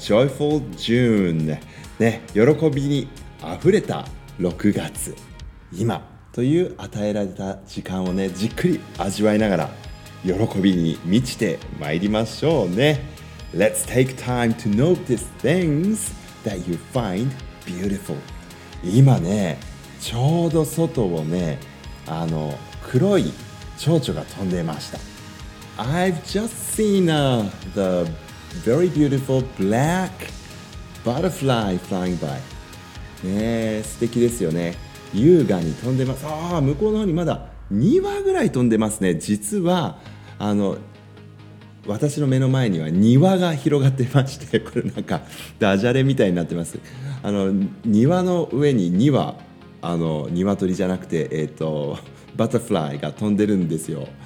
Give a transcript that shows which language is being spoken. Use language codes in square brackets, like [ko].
[en] Joyful June、 [ja] ね、喜びにあふれた6月、今という与えられた時間をね、じっくり味わいながら喜びに満ちてまいりましょうね。 [en] Let's take time to notice things that you find beautiful。 [ja] 今ね、ちょうど外をね、黒い蝶々が飛んでました。 [en] I've just seen the very beautiful black butterfly flying by。 [ja] ね、素敵ですよね、優雅に飛んでます。あ、向こうの方にまだ2羽ぐらい飛んでますね。実は私の目の前には庭が広がってまして、これなんかダジャレみたいになってます。庭の上に2羽、鶏じゃなくて、バタフライが飛んでるんですよ。